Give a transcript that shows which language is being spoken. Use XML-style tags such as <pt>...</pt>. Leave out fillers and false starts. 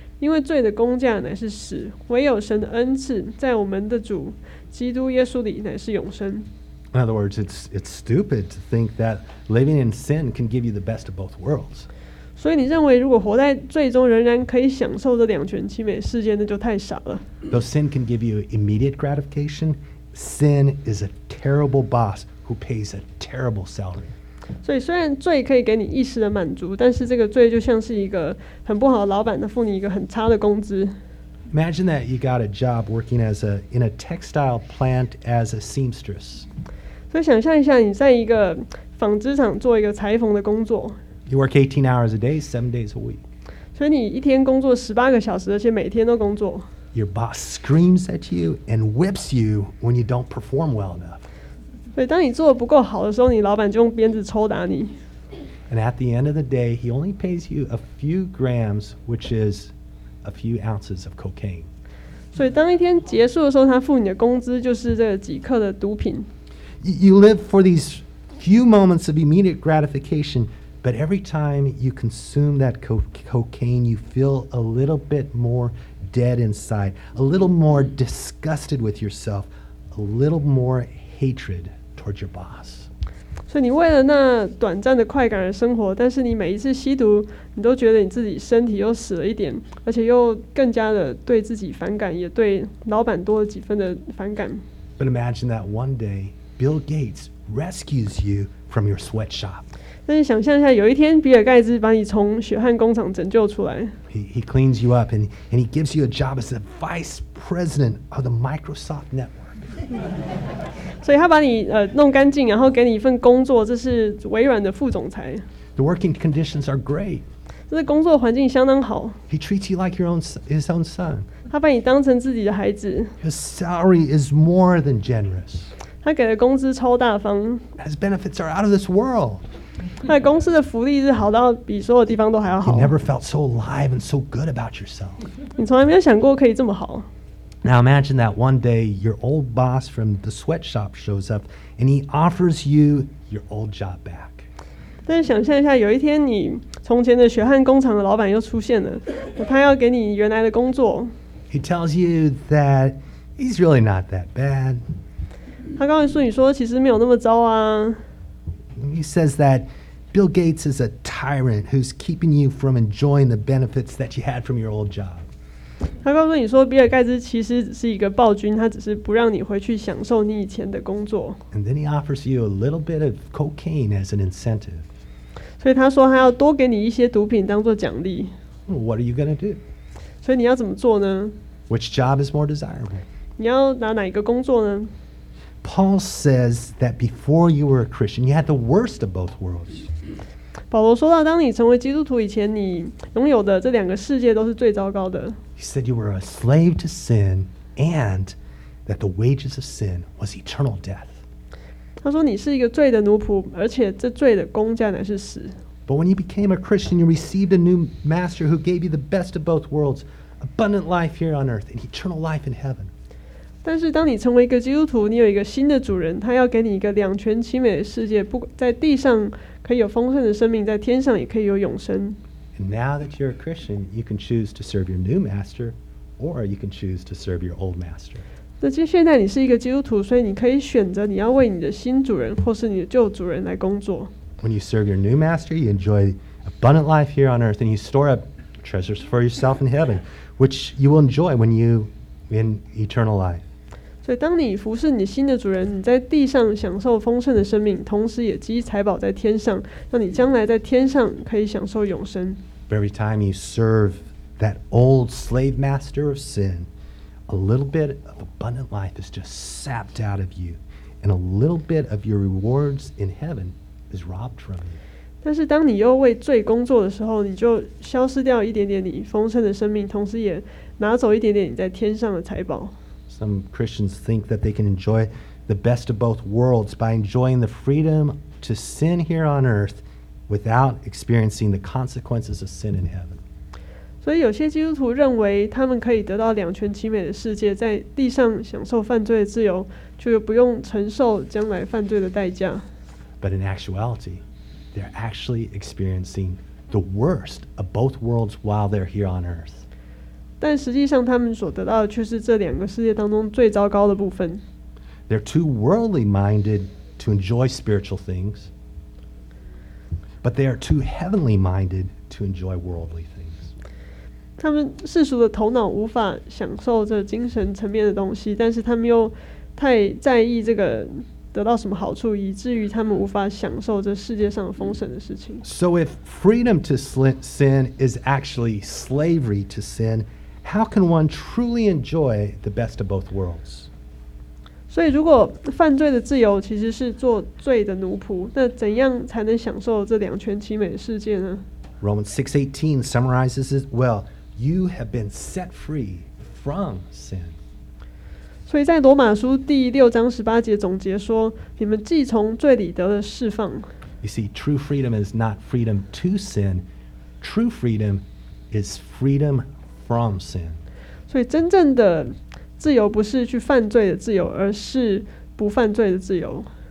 <zh>因为罪的工价乃是死，唯有神的恩赐在我们的主基督耶稣里乃是永生。</zh> <en>In other words, it's stupid to think that living in sin can give you the best of both worlds.</en> <zh>所以你认为如果活在罪中仍然可以享受这两全其美世界，那就太傻了。</zh> <en>Though sin can give you immediate gratification, sin is a terrible boss who pays a terrible salary.</en> <zh>所以虽然罪可以给你一时的满足，但是这个罪就像是一个很不好的老板，他付你一个很差的工资。</zh> <en>Imagine that you got a job working as in a textile plant as a seamstress.</en> <zh>所以想象一下，你在一个纺织厂做一个裁缝的工作。</zh> <en>You work 18 hours a day, 7 days a week.</en> <zh>所以你一天工作18个小时，而且每天都工作。</zh> <en>Your boss screams at you and whips you when you don't perform well enough.</en> <zh>所以当你做得不够好的时候，你老板就用鞭子抽打你。</zh> <en>And at the end of the day, he only pays you a few grams, which is a few ounces of cocaine.</en> <zh>所以当一天结束的时候，他付你的工资就是这几克的毒品。</zh> <en>You live for these few moments of immediate gratification, but every time you consume that cocaine, you feel a little bit more dead inside, a little more disgusted with yourself, a little more hatred towards your boss.</en> <zh>所以你为了那短暂的快感而生活，但是你每一次吸毒，你都觉得你自己身体又死了一点，而且又更加的对自己反感，也对老板多了几分的反感。</zh> <en>But imagine that one day Bill Gates rescues you from your sweatshop.</en> <zh>但是想象一下，有一天比尔盖茨把你从血汗工厂拯救出来。</zh> <en>He cleans you up and he gives you a job as the vice president of the Microsoft Network.</en> <zh>所以他把你弄干净，然后给你一份工作，这是微软的副总裁。</zh> <en>The working conditions are great.</en> <zh>这是工作环境相当好。</zh> <en>He treats you like his own son.</en> <zh>他把你当成自己的孩子。</zh> <en>His salary is more than generous.</en> <zh>他给的工资超大方。</zh> <en>His benefits are out of this world.</en> <zh>他的公司的福利是好到比所有地方都还要好。</zh> <en>You never felt so alive and so good about yourself.</en> <zh>你从来没有想过可以这么好。</zh> <en>Now imagine that one day your old boss from the sweatshop shows up and he offers you your old job back.</en> <zh>但是想象一下，有一天你从前的血汗工厂的老板又出现了，他要给你原来的工作。</zh> <en>He tells you that he's really not that bad.</en> <zh>他告诉你说，其实没有那么糟啊。</zh> <en>He says that Bill Gates is a tyrant who's keeping you from enjoying the benefits that you had from your old job.</en> <zh>他告诉你说，比尔盖茨其实是一个暴君，他只是不让你回去享受你以前的工作。</zh> <en>And then he offers you a little bit of cocaine as an incentive.</en> <zh>所以他说他要多给你一些毒品当做奖励。</zh> <en>What are you going to do?</en> <zh>所以你要怎么做呢？</zh> <en>Which job is more desirable?</en> <zh>你要拿哪一个工作呢？</zh> <en>Paul says that before you were a Christian, you had the worst of both worlds.</en> <zh>保罗说到，当你成为基督徒以前，你拥有的这两个世界都是最糟糕的。</zh> <en>He said you were a slave to sin, and that the wages of sin was eternal death.</en> <zh>他说你是一个罪的奴仆，而且这罪的工价乃是死。</zh> <en>But when you became a Christian, you received a new master who gave you the best of both worlds, abundant life here on earth and eternal life in heaven.</en> <zh>但是当你成为一个基督徒，你有一个新的主人，他要给你一个两全其美的世界，不在地上。可以有丰盛的生命，在天上也可以有永生。</zh> <en>And now that you're a Christian, you can choose to serve your new master, or you can choose to serve your old master.</en> <zh>那现在你是一个基督徒，所以你可以选择你要为你的新主人或是你的旧主人来工作。</zh> <en>When you serve your new master, you enjoy abundant life here on earth, and you store up treasures for yourself in heaven, which you will enjoy when you in eternal life.</en> <zh>所以当你服侍你新的主人，你在地上享受丰盛的生命，同时也积财宝在天上，让你将来在天上可以享受永生。</zh> <en>Every time you serve that old slave master of sin, a little bit of abundant life is just sapped out of you, and a little bit of your rewards in heaven is robbed from you.</en> <zh>但是当你又为罪工作的时候，你就消失掉一点点你丰盛的生命，同时也拿走一点点你在天上的财宝。</zh> <en>Some Christians think that they can enjoy the best of both worlds by enjoying the freedom to sin here on earth without experiencing the consequences of sin in heaven.</en> <zh>所以有些基督徒认为他们可以得到两全其美的世界，在地上享受犯罪的自由，就不用承受将来犯罪的代价。</zh> <en>But in actuality, they're actually experiencing the worst of both worlds while they're here on earth.</en> <zh>但实际上，他们所得到的却是这两个世界当中最糟糕的部分。</zh> <en>They're too worldly minded to enjoy spiritual things, but they are too heavenly minded to enjoy worldly things.</en> <zh>他们世俗的头脑无法享受这精神层面的东西，但是他们又太在意这个得到什么好处，以至于他们无法享受这世界上丰盛的事情。</zh> <en>So if freedom to sin is actually slavery to sin,How can one truly enjoy the best of both worlds?</en> <zh>所以如果犯罪的自由其实是做罪的奴仆，那怎样才能享受这两全其美的世界呢？</zh> <en>Romans 6:18 summarizes it well. You have been set free from sin.</en> <zh>所以在罗马书第六章十八节总结说，你们既从罪里得了释放。</zh> <en>You see, true freedom is not freedom to sin. True freedom is freedom. From sin.</en> <zh>所以真正的自由不是去犯罪的自由，而是不犯罪的自由。</zh>